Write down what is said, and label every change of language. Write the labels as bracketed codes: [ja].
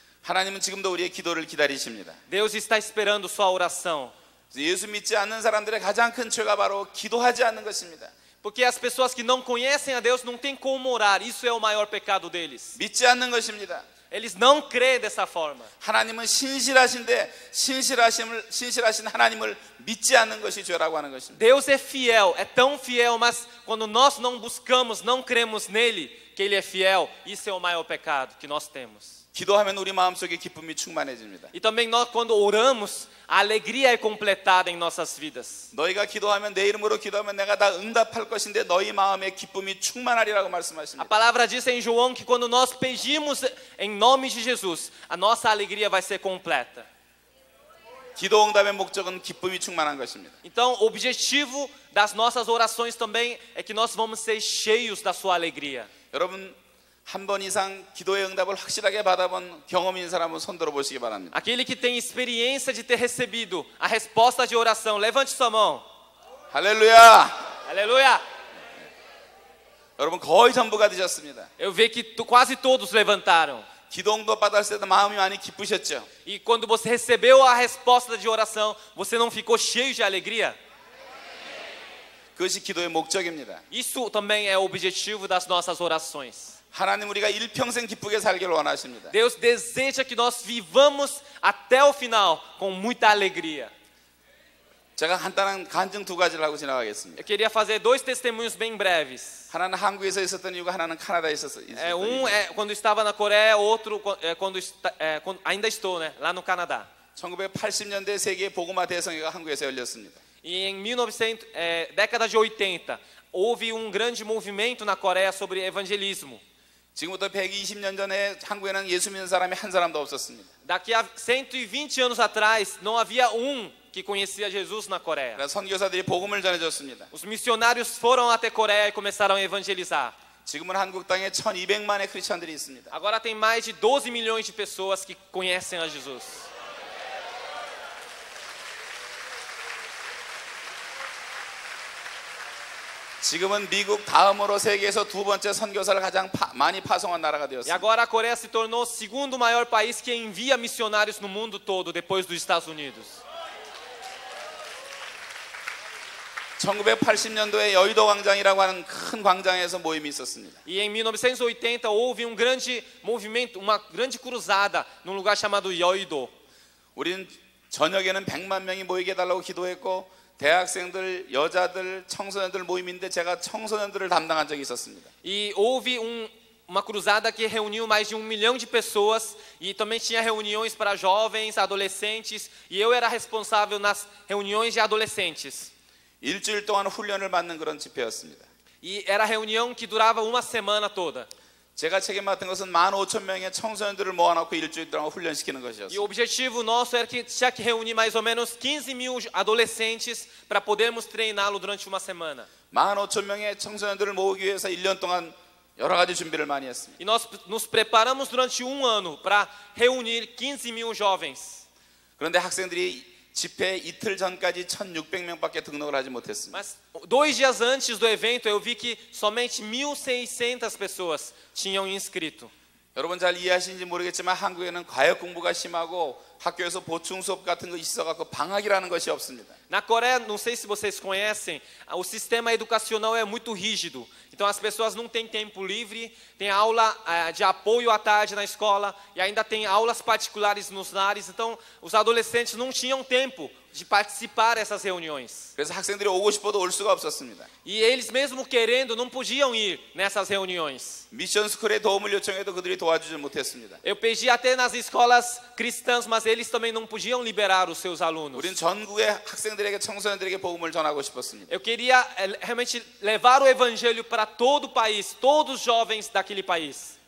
[ko] 하나님은 지금도 우리의 기도를 기다리십니다. [pt] Deus está esperando sua oração. [ko] 예수 믿지 않는 사람들의 가장 큰 죄가 바로 기도하지 않는 것입니다. [pt] Porque as pessoas que não conhecem a Deus não têm como orar. Isso é o maior pecado deles. [ko] 믿지 않는 것입니다. [pt] Eles não creem dessa forma. [ko] 하나님은 신실하신데 신실하신 하나님을 믿지 않는 것이 죄라고 하는 것입니다. [pt] Deus é fiel, é tão fiel, mas quando nós não buscamos, não cremos nele, que ele é fiel, isso é o maior pecado que nós temos. [ko] 기도하면 우리 마음속에 기쁨이 충만해집니다. [pt] E também nós quando oramos, a alegria é completada em nossas vidas. [ko] 너희가 기도하면 내 이름으로 기도하면 내가 다 응답할 것인데 너희 마음에 기쁨이 충만하리라고 말씀하십니다. [pt] A palavra diz em João que quando nós pedimos em nome de Jesus, a nossa alegria vai ser completa. [ko] 기도 응답의 목적은 기쁨이 충만한 것입니다. [pt] Então, o objetivo das nossas orações também é que nós vamos ser cheios da sua alegria. [ko] 여러분 한 번 이상 기도의 응답을 확실하게 받아본 경험인 사람은 손 들어 보시기 바랍니다. [pt] Aquele que tem experiência de ter recebido a resposta de oração, levante sua mão. Aleluia! Aleluia! [ko] 여러분 거의 전부가 되셨습니다. [pt] Eu vi que quase todos levantaram. [ko] 기도도 받았을 때도 마음이 많이 기쁘셨죠? [pt] E quando você recebeu a resposta de oração, você não ficou cheio de alegria? [ko] 그것이 기도의 목적입니다. [pt] Isso também é o objetivo das nossas orações. [ko] 하나님 우리가 일평생 기쁘게 살기를 원하십니다. [pt] Deus deseja que nós vivamos até o final com muita alegria. [ko] 제가 간단한 간증 두 가지를 하고 지나가겠습니다. [pt] Eu queria fazer dois testemunhos bem breves. [ko] 하나는 한국에서 있었던 이유가 하나는 캐나다에 있었어요. [pt] É um é quando estava na Coreia, outro quando ainda estou, né, lá no Canadá. [ko] 1980년대 세계 복음화 대성회가 한국에서 열렸습니다. [pt] Em 1900 década de 80 houve um grande movimento na Coreia sobre evangelismo. [ko] 지금부터 120년 전에 한국에는 예수 믿는 사람이 한 사람도 없었습니다. [pt] Daqui a 120 anos atrás não havia um que conhecia Jesus na Coreia. [ko] 선교사들이 복음을 전해줬습니다. [pt] Os missionários foram até Coreia e começaram a evangelizar. [ko] 지금은 한국 땅에 1,200만의 크리스천들이 있습니다. [pt] Agora tem mais de 12 milhões de pessoas que conhecem a Jesus. [ko] 지금은 미국 다음으로 세계에서 두 번째 선교사를 가장 많이 파송한 나라가 되었습니다. [pt] E agora a Coreia se tornou o segundo maior país que envia missionários no mundo todo depois dos Estados Unidos. [ko] 1980년도에 여의도 광장이라고 하는 큰 광장에서 모임이 있었습니다. [pt] E em 1980 houve um grande movimento, uma grande cruzada num lugar chamado Yeouido. [ko] 우린 저녁에는 100만 명이 모이게 달라고 기도했고 대학생들, 여자들, 청소년들 모임인데 제가 청소년들을 담당한 적이 있었습니다. [pt] E houve uma cruzada que reuniu mais de 1 milhão de pessoas e também tinha reuniões para jovens, adolescentes e eu era responsável nas reuniões de adolescentes. [ko] 일주일 동안 훈련을 받는 그런 집회였습니다. [pt] E era reunião que durava uma semana toda. [ko] 제가 책임 맡은 것은 15,000명의 청소년들을 모아놓고 일주일 동안 훈련시키는 것이었습니다. [pt] E o objetivo nosso era que tinha que reunir mais ou menos 15,000 adolescentes para podermos treiná-lo durante uma semana. [ko] 15,000명의 청소년들을 모으기 위해서 1년 동안 여러 가지 준비를 많이 했습니다. [pt] E nós nos preparamos durante um ano para reunir 15,000 jovens. [ko] 그런데 학생들이 집회 이틀 전까지 1,600명밖에 등록을 하지 못했습니다. [pt] Mas dois dias antes do evento eu vi que somente 1,600 pessoas tinham inscrito. [ko] 여러분 잘 이해하시는지 모르겠지만 한국에는 과역 공부가 심하고 학교에서 보충 수업 같은 거 있어 갖고 방학이라는 것이 없습니다. [pt] Na Coreia, não sei se vocês conhecem, o sistema educacional é muito rígido. Então as pessoas não têm tempo livre, tem aula de apoio à tarde na escola e ainda tem aulas particulares nos lares. Então os adolescentes não tinham tempo de participar dessas reuniões. [ko] 그래서 학생들이 오고 싶어도 올 수가 없었습니다. [pt] E eles mesmo querendo não podiam ir nessas reuniões. [ko] 미션 스쿨에 도움을 요청해도 그들이 도와주지 못했습니다. [pt] Eu pedi até nas escolas cristãs, mas eles também não podiam liberar os seus alunos. [ko] 우리는 전국의 학생들에게 청소년들에게 복음을 전하고 싶었습니다. [pt] Eu queria realmente levar o evangelho para todo o país, todos os jovens daquele país.